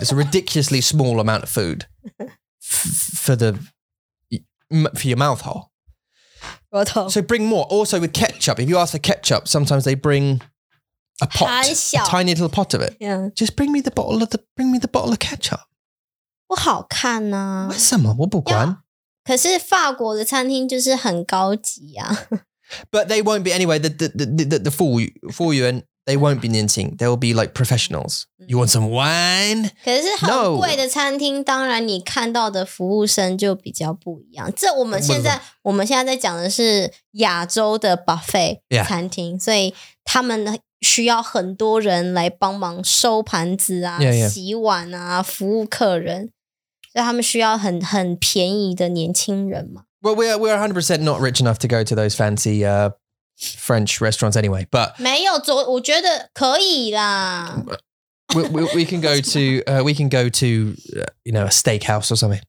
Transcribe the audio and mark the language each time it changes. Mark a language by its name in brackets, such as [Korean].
[English] It's a ridiculously small amount of food for your mouth hole. Mouth hole. So bring more. Also with ketchup, if you ask for ketchup, sometimes they bring a pot, a tiny little pot of it. Yeah. Just bring me the bottle of the, bring me the bottle of ketchup. [Chinese] 不好看啊。为什么?我不管。可是法国的餐厅就是很高级啊。 [English] But they won't be anyway, the 服务员, they won't be 年轻, they'll be like professionals. You want some wine? [Chinese] 可是很贵的餐厅,当然你看到的服务生就比较不一样。这我们现在讲的是亚洲的buffet餐厅, yeah. 所以他们需要很多人来帮忙收盘子啊, yeah, yeah. 洗碗啊, 服务客人。所以他们需要很便宜的年轻人嘛。 [English] Well, we're 100% not rich enough to go to those fancy French restaurants anyway, but... [Chinese] 没有,我觉得可以啦。We [English] can go to, you know, a steakhouse or something.